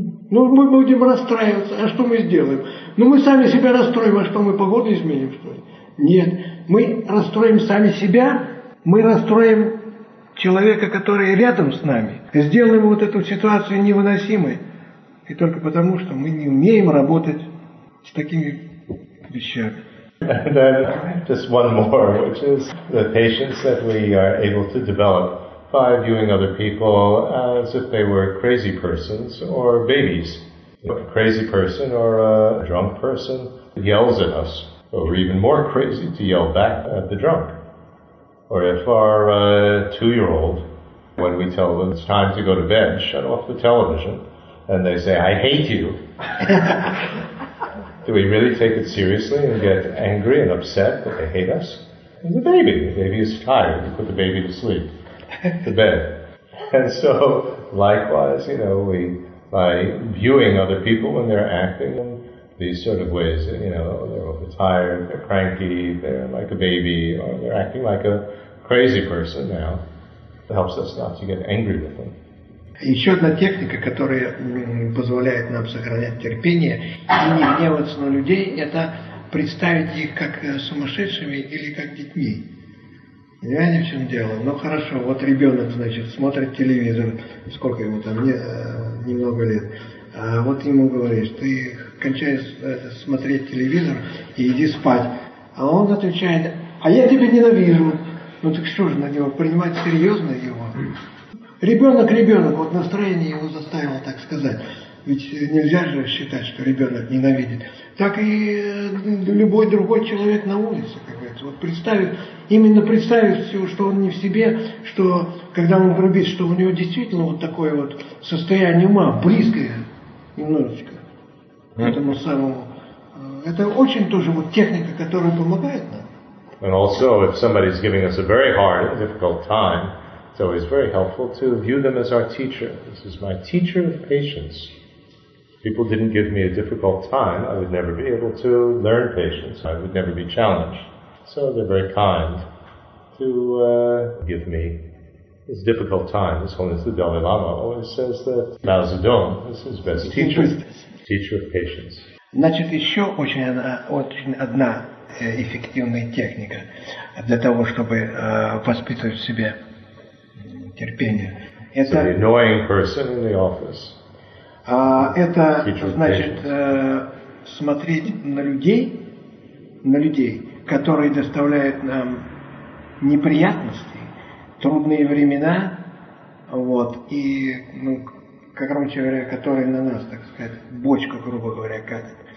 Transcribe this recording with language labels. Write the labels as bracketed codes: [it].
[ru] Ну, мы будем расстраиваться, а что мы сделаем? Ну, мы сами себя расстроим, а что, мы погоду изменим, что ли? Нет, мы расстроим сами себя, мы расстроим человека, который рядом с нами, сделаем вот эту ситуацию невыносимой, и только потому, что мы не умеем работать с такими вещами. [en] And then just one more, which is the patience that we are able to develop by viewing other people as if they were crazy persons or babies. A crazy person or a drunk person yells at us, or even more crazy to yell back at the drunk. Or if our 2-year-old, when we tell them it's time to go to bed, shut off the television, and they say, I hate you. Do we really take it seriously and get angry and upset that they hate us? It's a baby. The baby is tired. You put the baby to sleep, to bed. And so, likewise, you know, we, by viewing other people when they're acting in these sort of ways, you know, they're overtired, they're cranky, they're like a baby, or they're acting like a crazy person now, it helps us not to get angry with them. [ru] Еще одна техника, которая позволяет нам сохранять терпение и не гневаться на людей, это представить их как сумасшедшими или как детьми. Понимаете, в чем дело? Ну хорошо, вот ребенок, значит, смотрит телевизор, сколько ему там, немного лет. А вот ему говоришь, ты кончай смотреть телевизор и иди спать. А он отвечает, а я тебя ненавижу. Ну так что же, на него принимать серьезно его? Ребенок, вот настроение его заставило так сказать. Ведь нельзя же считать, что ребенок ненавидит. Так и любой другой человек на улице, как говорится. Вот представит, именно представит все, что он не в себе, что когда он грубит, что у него действительно вот такое вот состояние ума, близкое немножечко к этому самому. Это очень тоже вот техника, которая помогает нам. [en] And also, if somebody's giving us a very hard, difficult time, it's always very helpful to view them as our teacher. This is my teacher of patience. If people didn't give me a difficult time, I would never be able to learn patience. I would never be challenged. So they're very kind to give me this difficult time. His Holiness the Dalai Lama always says that Mao Zedong is his best teacher, teacher of patience. [ru] Значит, еще очень одна эффективная техника для того, чтобы воспитывать в себе терпение. Это [en] so the annoying person in the office. [ru] Это значит смотреть на людей, которые доставляют нам неприятности, трудные времена, вот, и, ну, короче говоря, которые на нас, так сказать, бочку, грубо говоря, катят.